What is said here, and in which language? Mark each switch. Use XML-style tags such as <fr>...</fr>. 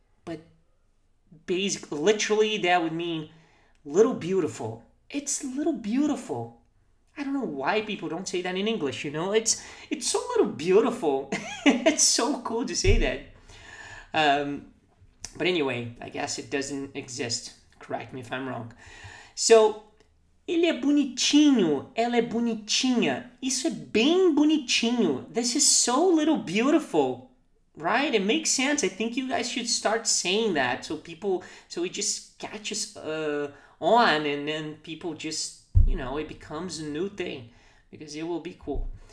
<en>But basically, literally, that would mean little beautiful. It's little beautiful. I don't know why people don't say that in English, you know? It's so little beautiful. It's so cool to say that. But anyway, I guess it doesn't exist. Correct me if I'm wrong.</en> <pt>So, ele é bonitinho, ela é bonitinha. Isso é bem bonitinho.</pt> <en>This is so little beautiful, right? It makes sense. I think you guys should start saying that so it just catches on, and then people just, you know, it becomes a new thing, because it will be cool.</en>